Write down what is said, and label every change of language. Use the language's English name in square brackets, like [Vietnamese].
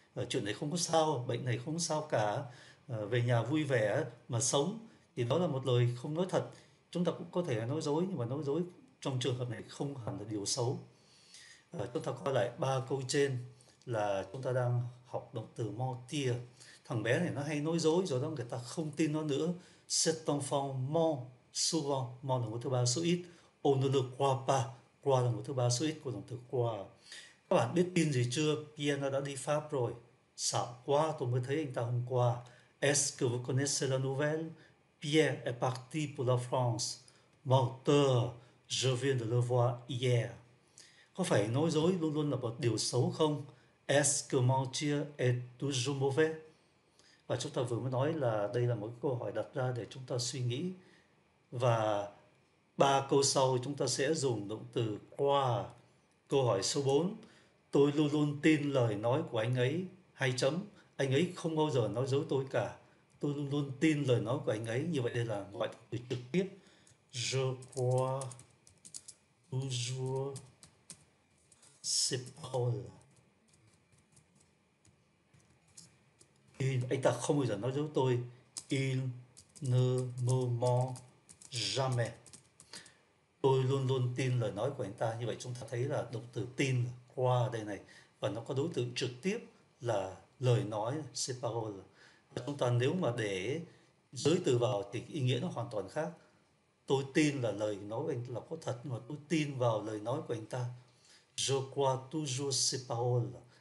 [Vietnamese] Chuyện này không có sao, bệnh này không sao cả, về nhà vui vẻ mà sống, thì đó là một lời không nói thật, chúng ta cũng có thể nói dối, nhưng mà nói dối trong trường hợp này không hẳn là điều xấu. Chúng ta coi lại ba câu trên là chúng ta đang học động từ mentir. Thằng bé này nó hay nói dối rồi đó, người ta không tin nó nữa. [French] Cet enfant ment souvent. [Vietnamese] Ment là ngôi thứ ba số ít. [French] On ne le croit pas. [Vietnamese] Croit là ngôi thứ ba số ít của động từ croire. Các bạn biết tin gì chưa? Pierre nó đã đi Pháp rồi. Xạo quá, tôi mới thấy anh ta hôm qua. [French] Est-ce que vous connaissez la nouvelle? Pierre est parti pour la France. Menteur, je viens de le voir hier. [Vietnamese] Có phải nói dối luôn luôn là một điều xấu không? [French] Est-ce que mentir est toujours mauvais? [Vietnamese] Và chúng ta vừa mới nói là đây là một câu hỏi đặt ra để chúng ta suy nghĩ. Và ba câu sau chúng ta sẽ dùng động từ qua. Câu hỏi số 4. Tôi luôn luôn tin lời nói của anh ấy. Hai chấm. Anh ấy không bao giờ nói dối tôi cả. Tôi luôn luôn tin lời nói của anh ấy. Như vậy đây là gọi từ trực tiếp. [French] Je crois toujours ses paroles. [Vietnamese] Anh ta không bao giờ nói dối tôi. [French] Il ne me ment jamais. [Vietnamese] Tôi luôn luôn tin lời nói của anh ta. Như vậy chúng ta thấy là động từ tin qua đây này, và nó có đối tượng trực tiếp là lời nói, c'est parole. Và chúng ta nếu mà để giới từ vào thì ý nghĩa nó hoàn toàn khác. Tôi tin là lời nói của anh ta là có thật, nhưng mà tôi tin vào lời nói của anh ta. [French] Je crois toujours c'est parole.